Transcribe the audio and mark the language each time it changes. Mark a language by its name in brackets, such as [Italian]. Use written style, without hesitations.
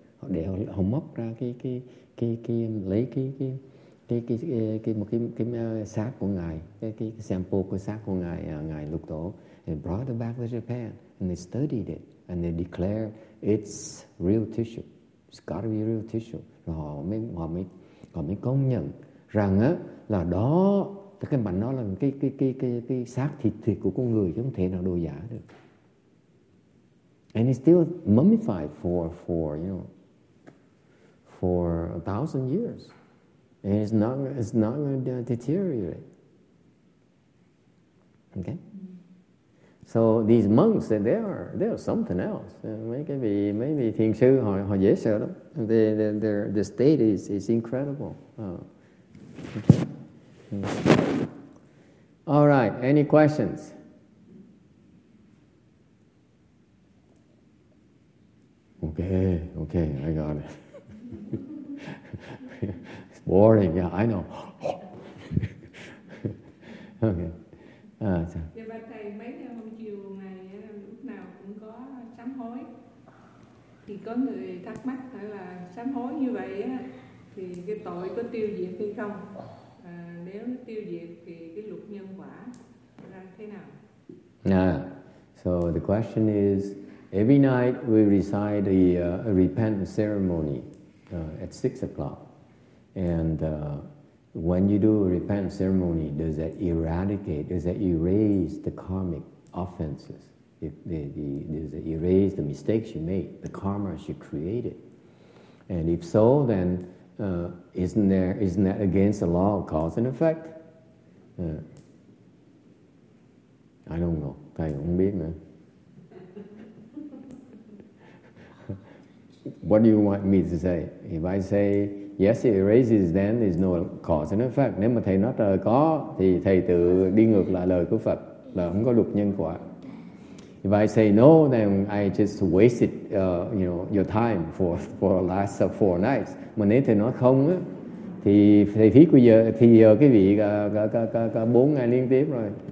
[Vietnamese] Họ để họ móc ra cái xác của ngài, cái sample của xác của ngài ngài Lục Tổ. [English] They brought it back to Japan and they studied it and they declared it's real tissue. It's got to be real tissue. [Vietnamese] Rồi họ mới công nhận rằng là đó, cái bản đó là cái xác thịt thịt của con người, chứ không thể nào đồ giả được. [English] And it's still mummified for you know, for 1,000 years. And it's not going to deteriorate. Okay? So these monks, they are something else. [Vietnamese] Maybe thiền sư họ dễ sợ lắm. [English] The state is incredible. Okay. All right. Any questions? Okay. I got it. It's boring. Yeah, I know. Okay. [Vietnamese] Dạ bà thầy, mấy hôm chiều này lúc nào cũng có sám hối. Thì có người thắc mắc là sám hối như vậy thì cái tội có tiêu diệt hay không? Nếu tiêu diệt thì cái luật nhân quả ra thế nào? [English] So the question is, every night we recite a repentance ceremony at 6 o'clock, and when you do a repentance ceremony, does that eradicate, does that erase the karmic offenses? Does it erase the mistakes you made, the karma you created? And if so, then isn't that against the law of cause and effect? I don't know. [Vietnamese] Thầy không biết nữa. [English] What do you want me to say? If I say, yes, it erases, then there's no cause and effect. [Vietnamese] Nếu mà thầy nói trời có, thì thầy tự đi ngược lại lời của Phật, là không có luật nhân quả. [English] If I say no, then I just wasted your time for the last 4 nights. [Vietnamese] Mà nếu thầy nói không, thì thầy phí của giờ, thì giờ cái vị 4 ngày liên tiếp rồi.